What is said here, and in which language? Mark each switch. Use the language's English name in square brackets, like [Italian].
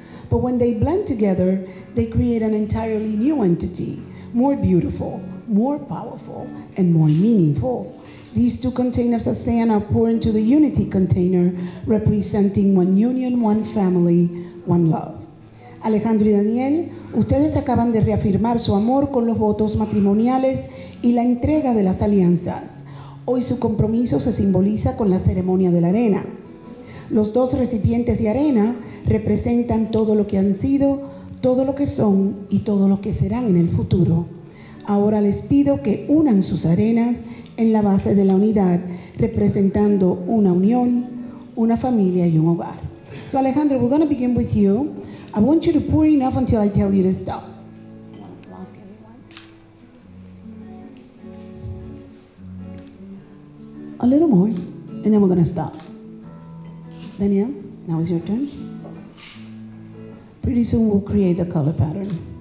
[English] But when they blend together, they create an entirely new entity, more beautiful, more powerful, and more meaningful. These two containers of sand are poured into the unity container, representing one union, one family, one love. [Spanish] Alejandro y Daniel, ustedes acaban de reafirmar su amor con los votos matrimoniales y la entrega de las alianzas. Hoy su compromiso se simboliza con la ceremonia de la arena. Los dos recipientes de arena representan todo lo que han sido, todo lo que son y todo lo que serán en el futuro. Ahora les pido que unan sus arenas en la base de la unidad, representando una unión, una familia y un hogar. [English] So Alejandro, we're going to begin with you. I want you to pour enough until I tell you to stop. A little more, and then we're going to stop. Daniel, now is your turn. Pretty soon we'll create the color pattern.